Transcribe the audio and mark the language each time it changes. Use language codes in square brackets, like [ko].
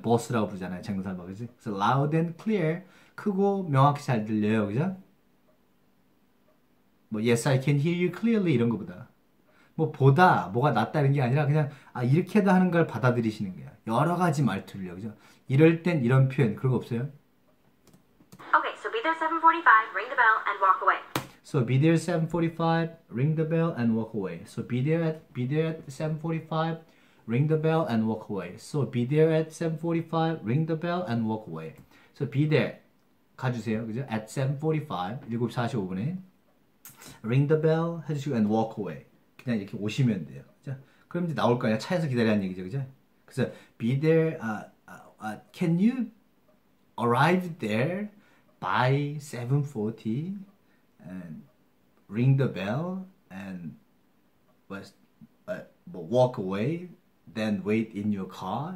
[ko] 보스라고 부르잖아요. 장사하고 그지? 그래서 loud and clear. 크고 명확히 잘 들려요. 그죠? 뭐, [en] yes, I can hear you clearly. [ko] 이런 거보다. 뭐 보다 뭐가 낫다는 게 아니라 그냥 아 이렇게도 하는 걸 받아들이시는 거야. 여러 가지 말투를요. 그죠? 이럴 땐 이런 표현 그런 거 없어요? [en] Okay, so be there 7:45, ring the bell and walk away. So be there 7:45, ring the bell and walk away. So be there at 7:45, ring the bell and walk away. So be there at 7:45, ring the bell and walk away. So be there [ko] 가주세요. 그죠? [en] At 7:45, [ko] 7:45분에 [en] ring the bell [ko] 해주시고 [en] and walk away. [ko] 그냥 이렇게 오시면 돼요. 그죠? 그럼 이제 나올 거야. 차에서 기다리라는 얘기죠. 그죠? 그래서 [en] be there can you arrive there by 7:40? And ring the bell and walk away, then wait in your car.